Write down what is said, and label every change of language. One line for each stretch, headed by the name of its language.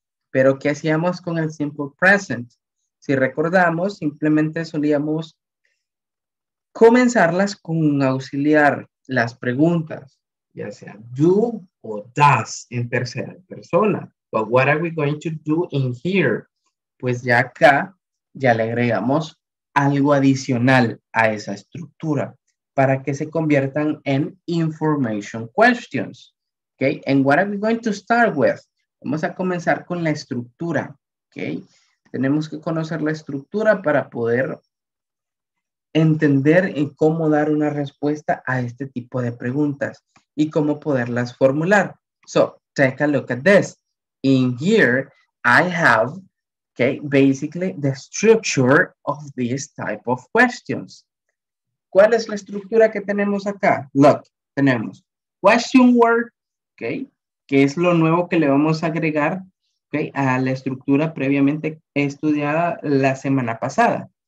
Spanish: Pero, ¿qué hacíamos con el simple present? Si recordamos, simplemente solíamos comenzarlas con auxiliar las preguntas, ya sea do o does en tercera persona.
English: But what are we going to do in here?
Spanish: Pues ya acá, ya le agregamos algo adicional a esa estructura para que se conviertan en information questions.
English: Okay? And what are we going to start with?
Spanish: Vamos a comenzar con la estructura. Okay? Tenemos que conocer la estructura para poder entender en cómo dar una respuesta a este tipo de preguntas y cómo poderlas formular.
English: So, take a look at this. In here, I have, okay, basically the structure of this type of questions.
Spanish: ¿Cuál es la estructura que tenemos acá? Look, tenemos question word, okay, que es lo nuevo que le vamos a agregar, okay, a la estructura previamente estudiada la semana pasada.